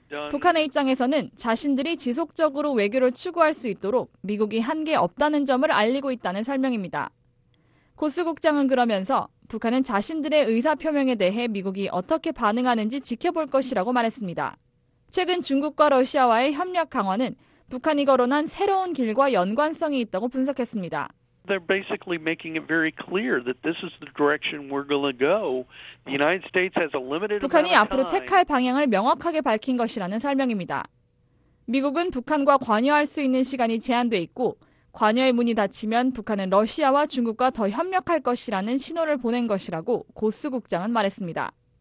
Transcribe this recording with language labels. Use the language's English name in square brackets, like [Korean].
[Korean] 북한의 입장에서는 자신들이 지속적으로 외교를 추구할 수 있도록 미국이 한계 없다는 점을 알리고 있다는 설명입니다. 고스 국장은 그러면서 북한은 자신들의 의사표명에 대해 미국이 어떻게 반응하는지 지켜볼 것이라고 말했습니다. 최근 중국과 러시아와의 협력 강화는 북한이 거론한 새로운 길과 연관성이 있다고 분석했습니다. [English] They're basically making it very clear that this is the direction we're going to go. The United States has a limited [Korean] 북한이 앞으로 택할 방향을 명확하게 밝힌 것이라는 설명입니다. 미국은 북한과 관여할 수 있는 시간이 제한돼 있고 관여의 문이 닫히면 북한은 러시아와 중국과 더 협력할 것이라는 신호를 보낸 것이라고 고스 국장은 말했습니다.